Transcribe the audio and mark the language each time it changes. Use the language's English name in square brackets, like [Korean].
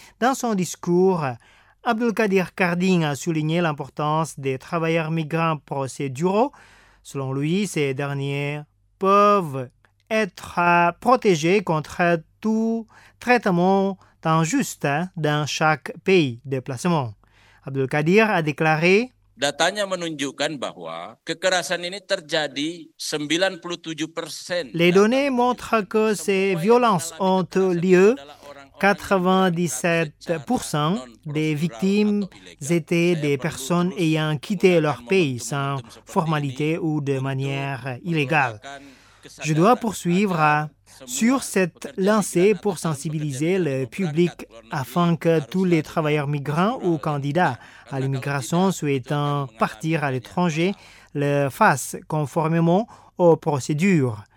[French] Dans son discours, Abdulkadir Karding a souligné l'importance des travailleurs migrants procéduraux. Selon lui, ces derniers peuvent être protégés contre tout traitement injuste dans chaque pays de placement. Abdul Kadir a déclaré: [Indonesian] Datanya menunjukkan bahwa kekerasan ini terjadi 97%. [French] Les données montrent que ces violences ont lieu. 97% des victimes étaient des personnes ayant quitté leur pays sans formalité ou de manière illégale. Je dois poursuivre sur cette lancée pour sensibiliser le public afin que tous les travailleurs migrants ou candidats à l'immigration souhaitant partir à l'étranger le fassent conformément aux procédures.